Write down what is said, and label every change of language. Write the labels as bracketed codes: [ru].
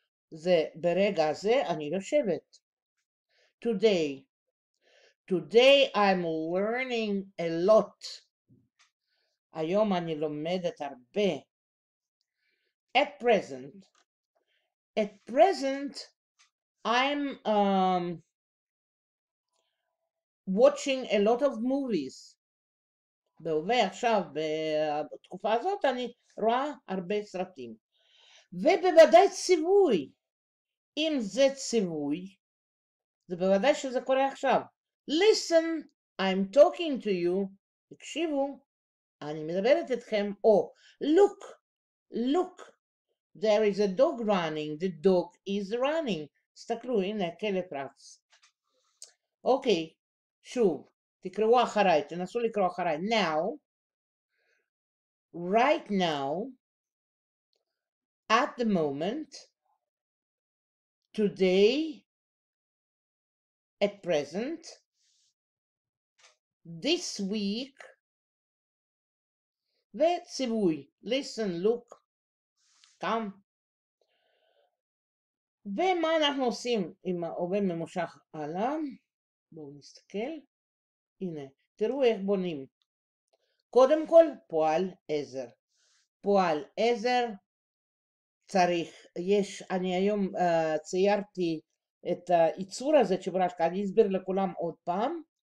[he] זה ברגע זה אני יושבת. [en] Today, today I'm learning a lot. [he] היום אני לומדת הרבה. [en] At present, I'm watching a lot of movies. [he] בהווה עכשיו, בתקופה הזאת, אני רואה הרבה סרטים. ובוודאי ציווי. אם זה ציווי, זה בוודאי שזה קורה עכשיו. [en] Listen, I'm talking to you. [he] הקשיבו. אני מדברת אתכם, או, [en] look, look, there is a dog running, the dog is running. [he] תסתכלו, הנה, כלב רץ. אוקיי, שוב, תקראו אחריי, תנסו לקרוא אחריי. [en] Now, right now, at the moment, today, at present, this week, [he] וציווי, [en] listen, look, come. [he] ומה אנחנו עושים עם ההווה ממושך הלאה? בואו נסתכל. הנה, תראו איך בונים. קודם כל, פועל עזר. פועל עזר צריך. יש, אני היום ציירתי את היצור הזה, צ'ברשקה, אני אסביר לכולם עוד פעם.